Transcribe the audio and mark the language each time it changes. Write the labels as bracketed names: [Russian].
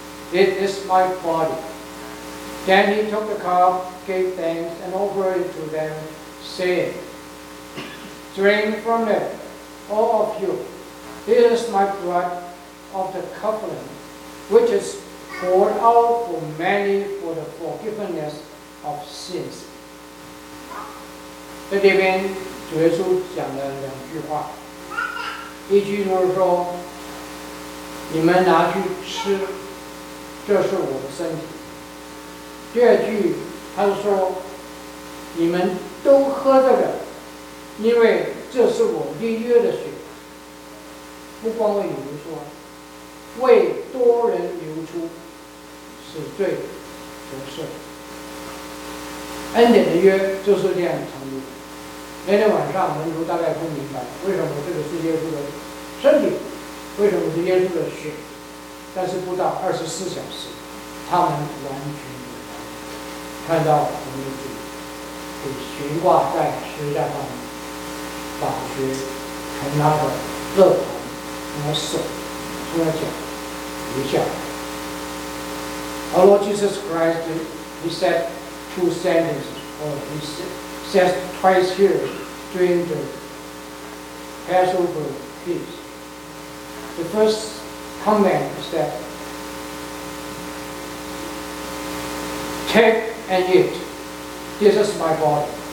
[English] This is my body. Then he took the cup, gave thanks and offered it to them, saying, drink from it, all of you. This is my blood of the covenant, which is poured out for many for the forgiveness of sins. [Chinese] 在这边主耶稣讲了两句话，一句就是说，你们拿去吃，这是我的身体。第二句他是说，你们都喝这个，因为这是我立约的血。不光为你们说，为多人流出，是罪得赦。恩典的约就是这样成立。那天晚上门徒大概不明白为什么这个是耶稣的身体，为什么是耶稣的血，但是不到二十四小时他们完全明白，看到我们的主被悬挂在十字架上面，把血从他的肋旁，从他手，从他脚流下。 [English] Our Lord Jesus Christ, he said two sentences, or he says twice here during the Passover feast. The first command is that, take and eat, this is my body.